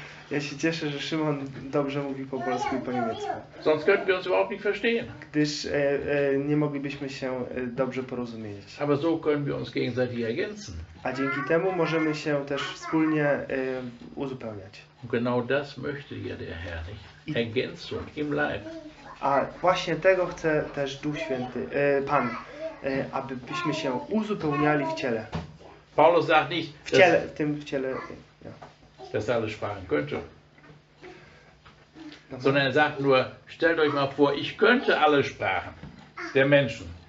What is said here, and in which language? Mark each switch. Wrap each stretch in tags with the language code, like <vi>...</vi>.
<pl>Ja się cieszę, że Szymon dobrze mówi po polsku i po niemiecku.</pl> <de>Sonst könnten wir uns überhaupt nicht verstehen.</de> <pl>Gdyż nie moglibyśmy się dobrze porozumieć.</pl> <de>Aber so können wir uns gegenseitig ergänzen.</de> <pl>A dzięki temu możemy się też wspólnie uzupełniać.</pl> <de>Und genau das möchte ja der Herr, nicht? Ergänzung im Leib.</de> <pl>A właśnie tego chce też Duch Święty, Pan, abyśmy się uzupełniali w ciele.</pl> <de>Paulus sagt nicht,</de> <pl>w ciele, w tym w ciele, ja.</pl> <de>Dass alle sprechen könnte. Sondern er sagt nur, stellt euch mal vor, ich könnte alle Sprachen der Menschen.</de>